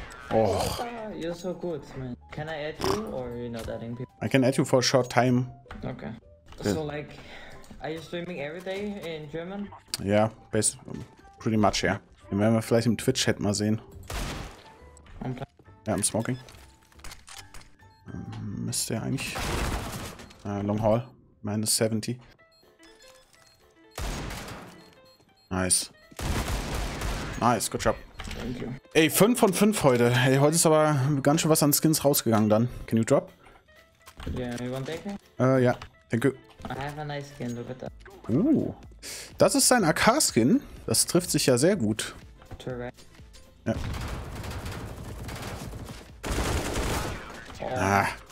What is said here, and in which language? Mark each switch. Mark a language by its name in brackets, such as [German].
[English] Oh. You're so good, man. Can I add you or are you not adding people? I can add you for a short time. Okay. Good. So like, are you streaming every day in German? Yeah, pretty much, yeah. [German] Wir werden vielleicht im Twitch-Chat mal sehen. [English] Ja, I'm smoking. [German] Müsste er eigentlich. [English] Long haul. [German] Minus 70. [English] Nice. Nice, good job. Thank you. [German] Ey, 5 von 5 heute. Ey, heute ist aber ganz schön was an Skins rausgegangen dann. [English] Can you drop? Yeah, you want to take it? Yeah. Thank you. I have a nice skin, look at that. [German] Das ist sein AK-Skin. Das trifft sich ja sehr gut. Ja. Oh. Ah.